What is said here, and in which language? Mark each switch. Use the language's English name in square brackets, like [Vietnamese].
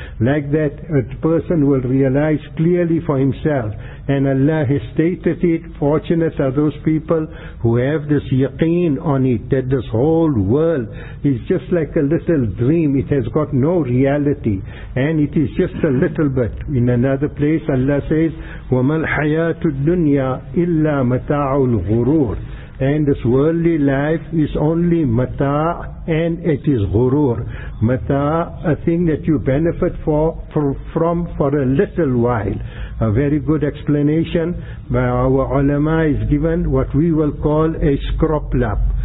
[English] Like that, a person will realize clearly for himself. And Allah has stated it, fortunate are those people who have this yaqeen on it, that this whole world is just like a little dream, it has got no reality, and it is just a little bit. In another place Allah says, [Arabic] وَمَا الْحَيَاةُ الدُّنْيَا إِلَّا مَتَاعُ الْغُرُورِ. [English] And this worldly life is only mata' and it is ghurur. Mata' a thing that you benefit from for a little while. A very good explanation by our ulama is given, what we will call a scrop lap.